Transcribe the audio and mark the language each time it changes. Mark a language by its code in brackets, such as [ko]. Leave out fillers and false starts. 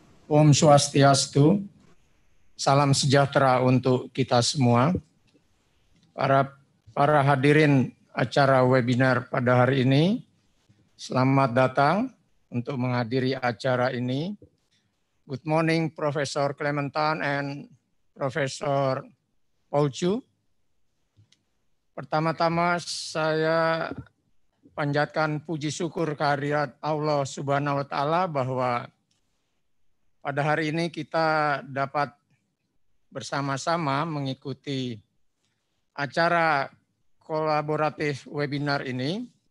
[id] Om Swastiastu. Salam sejahtera untuk kita semua. Para hadirin acara webinar pada hari ini, selamat datang untuk menghadiri acara ini. [en] Good morning, Professor Clement Tan and Professor Paul Chu. [id] Pertama-tama saya panjatkan puji syukur kehadirat Allah Subhanahu wa Ta'ala bahwa pada hari ini kita dapat bersama-sama mengikuti acara kolaboratif webinar ini.